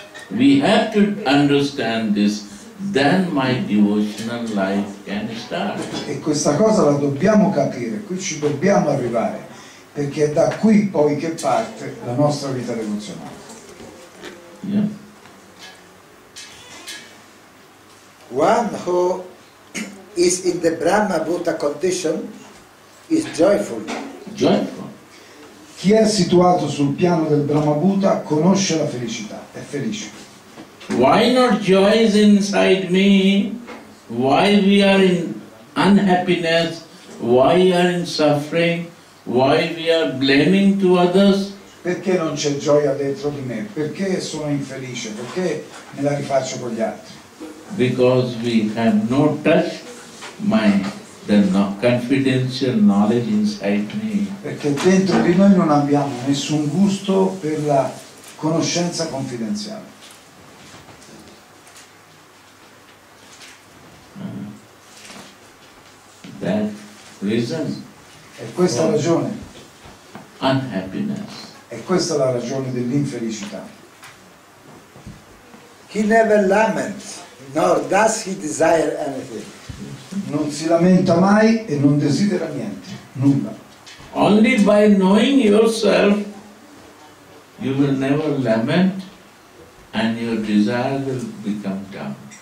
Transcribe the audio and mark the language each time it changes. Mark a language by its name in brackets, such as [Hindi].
[English] We have to understand this. Then my devotional life can start. [Italian] E questa cosa la dobbiamo capire. Qui ci dobbiamo arrivare. Perché è da qui poi che parte la nostra vita devozionale. [English] Yeah. One who is in the Brahma Bhuta condition is joyful. Joyful. [Italian] Chi è situato sul piano del Brahma Bhuta conosce la felicità, è felice. [English] Why not joy is inside me? Why we are in unhappiness? Why we are in suffering? Why we are blaming to others? [Italian] Perché non c'è gioia dentro di me? Perché sono infelice? Perché me la rifaccio con gli altri? [English] Because we have no touch my the confidential knowledge inside me. [Italian] Perché dentro di noi non abbiamo nessun gusto per la conoscenza confidenziale. [English] That reason. [Italian] E questa la ragione. [English] Unhappiness. [Italian] E questa la ragione dell'infelicità. [English] He never laments, nor does he desire anything. [Italian] Non si lamenta mai e non desidera niente, nulla. [English] Only by knowing yourself you will never lament and your desire will become dumb.